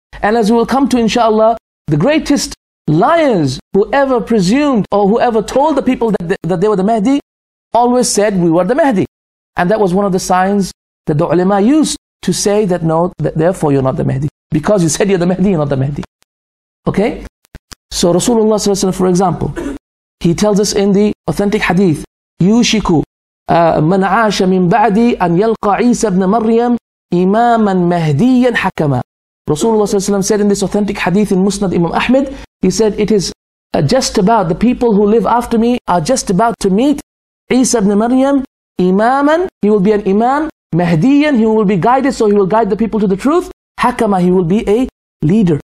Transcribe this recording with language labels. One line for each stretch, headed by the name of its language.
English: And as we will come to, inshallah, the greatest liars who ever presumed or whoever told the people that they were the Mahdi always said, we were the Mahdi. And that was one of the signs that the ulama used to say that no, that therefore you're not the Mahdi. Because you said you're the Mahdi, you're not the Mahdi. Okay? So Rasulullah sallallahu alayhi wa sallam, for example, He tells us in the authentic hadith,
Arabic: يُوشِكُ مَنْ عَاشَ مِنْ بَعْدِي أَنْ يَلْقَ عِيسَى بْنَ مَرْيَمْ إِمَامًا مَهْدِيًا حَكَمًا.
English: Rasulullah said in this authentic hadith in Musnad Imam Ahmed, he said, it is just about, the people who live after me are just about to meet Isa ibn Maryam, Imaman, he will be an Imam, Mahdiyan, he will be guided, so he will guide the people to the truth, Hakama, he will be a leader.